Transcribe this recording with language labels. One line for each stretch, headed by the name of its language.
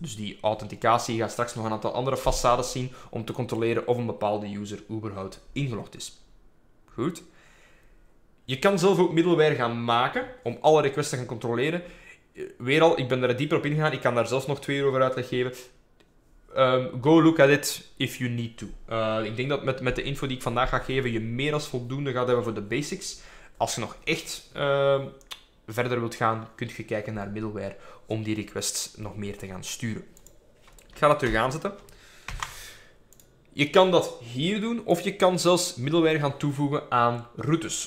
Dutch: Dus die authenticatie gaat straks nog een aantal andere façades zien om te controleren of een bepaalde user überhaupt ingelogd is. Goed. Je kan zelf ook middleware gaan maken om alle requests te gaan controleren. Weer al, ik ben daar dieper op ingegaan, ik kan daar zelfs nog 2 uur over uitleg geven...
English: go look at it if you need to.
Dutch: Ik denk dat met de info die ik vandaag ga geven, je meer dan voldoende gaat hebben voor de basics. Als je nog echt verder wilt gaan, kunt je kijken naar middleware om die requests nog meer te gaan sturen. Ik ga dat terug aanzetten. Je kan dat hier doen of je kan zelfs middleware gaan toevoegen aan routes.